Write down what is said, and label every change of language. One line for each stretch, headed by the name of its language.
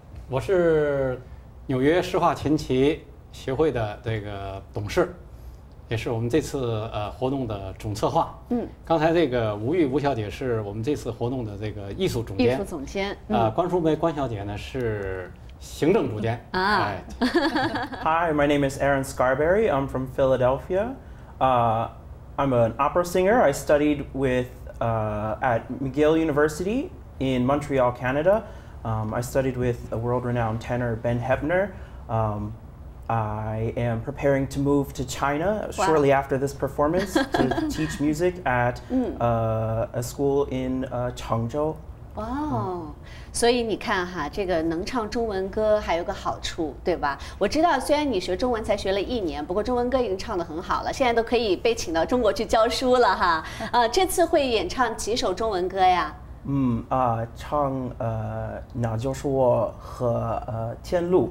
Chinese: 我是纽约诗画琴棋协会的这个董事，也是我们这次活动的总策划。刚才这个吴玉吴小姐是我们这次活动的这个艺术总监，艺术总监，关淑梅关小姐呢是行政主编啊。
English: Hi, my name is Aaron Scarberry. I'm from Philadelphia. I'm an opera singer. I studied at McGill University in Montreal, Canada. I studied with a world-renowned tenor, Ben Hebner. I am preparing to move to China shortly after this performance to teach music at a school in Changzhou. Wow.
Chinese: 所以你看哈，这个能唱中文歌还有个好处，对吧？我知道虽然你学中文才学了一年，不过中文歌已经唱得很好了，现在都可以被请到中国去教书了哈。这次会演唱几首中文歌呀？唱那就是我和天路。